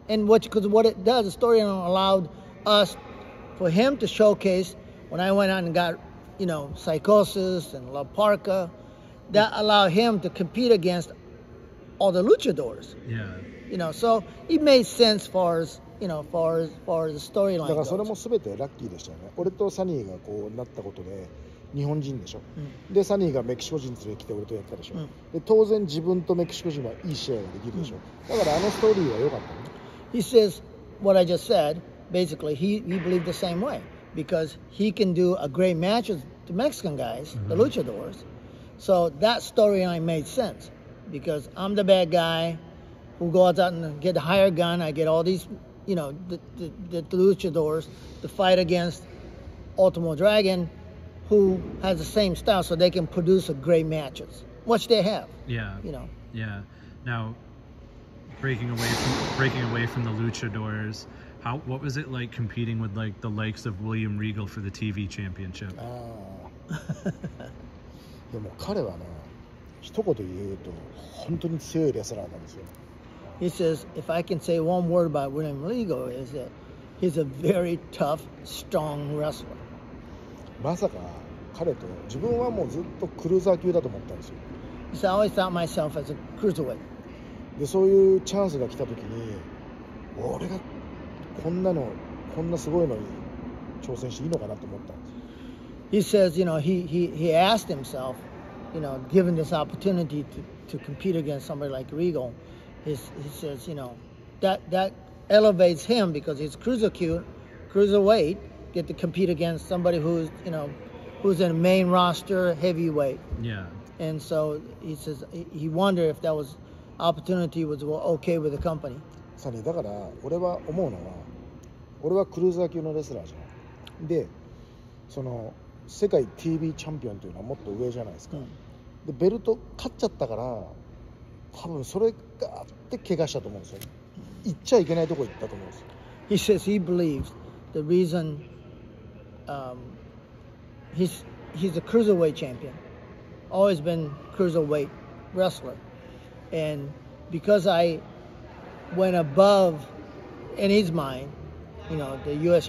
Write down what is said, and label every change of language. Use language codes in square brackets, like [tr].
[en] And what it does, the storyline allowed us for him to showcase. When I went out and got, you know, Psychosis and La Parka, that allowed him to compete against all the luchadores. Yeah. You know, so it made sense far as the storyline. [ja] だからそれも全てラッキーでしたよね。俺とサニーがこうなったことで日本人でしょ。 Mm. で、サニーがメキシコ人連れてきて俺とやったでしょ。 Mm. で、当然自分とメキシコ人はいい試合ができるでしょ。 Mm. だからあのストーリーは良かったね。 [en] He says what I just said, basically he believed the same way. Because he can do a great match with the Mexican guys, mm-hmm. the luchadores. So that storyline made sense. Because I'm the bad guy who goes out and get the hired gun. I get all these, you know, the luchadores to fight against Ultimo Dragon, who has the same style, so they can produce a great matches, which they have. Yeah. You know. Yeah. Now, breaking away from the luchadores, what was it like competing with like the likes of William Regal for the TV championship? Ah. [ja] でも彼はね、一言言うと本当に強いレスラーなんですよ。 [en] He says, if I can say one word about William Regal, is that he's a very tough, strong wrestler. [ja] まさか彼と自分はもうずっとクルーザー級だと思ったんですよ。 [en] So I always thought myself as a cruiserweight. [ja] で、そういうチャンスが来た時に、俺がこんなの、こんなすごいのに挑戦していいのかなと思ったんです。 [en] He says, you know, he asked himself, you know, given this opportunity to compete against somebody like Regal, he says, you know, that elevates him because he's cruiserweight, get to compete against somebody who's, you know, who's in a main roster heavyweight. Yeah. And so he says he wondered if that was opportunity was okay with the company. [ja] サニー、だから俺は思うのは、俺はクルーザー級のレスラーじゃん。で、その世界 TV チャンピオンというのはもっと上じゃないですか。うん、で、ベルト勝っちゃったから、多分それがあって怪我したと思うんですよ。行っちゃいけないとこ行ったと思うんですよ。 [en] He says he believes the reason he's a cruiserweight champion, always been cruiserweight wrestler, and because I went above, in his mind, you know, the U.S.